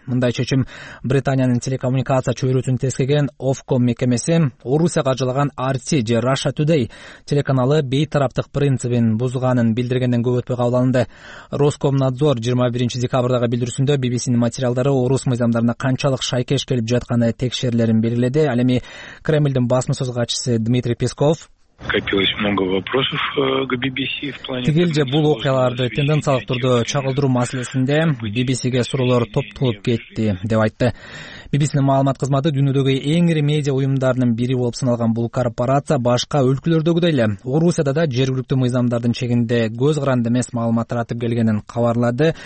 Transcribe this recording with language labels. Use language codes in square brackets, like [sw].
[ky] Мындай чечим Британиянын телекоммуникация чөйрөсүн тескеген Ofcom мекемеси Орусияга жалган RT же Russia Today телеканалы бейтараптык принцибин бузганын билдиргенден көп өтпөй кабылданды. Роскомнадзор 21 декабрдагы билдирүүсүндө BBC'нин материалдары орус мыйзамдарына канчалык шайкеш келип жатканы текшерилерин белгиледи. Ал эми Кремлдин басма сөз катчысы Дмитрий Песков: [ru] Копилось много вопросов к BBC в плане. [ky] Тигил же бул окуяларды тенденциялык түрдө чагылдыруу маселесинде BBC'ге суроолор топтолуп кетти деп айтты. BBC'нин маалымат кызматы дүйнөдөгү эң ири медиа уюмдарынын бири болуп саналган бул корпорация башка өлкөлөрдөгүдөй эле Орусияда да жергиликтүү мыйзамдардын чегинде көз каранды эмес маалымат таратып келгенин кабарлады.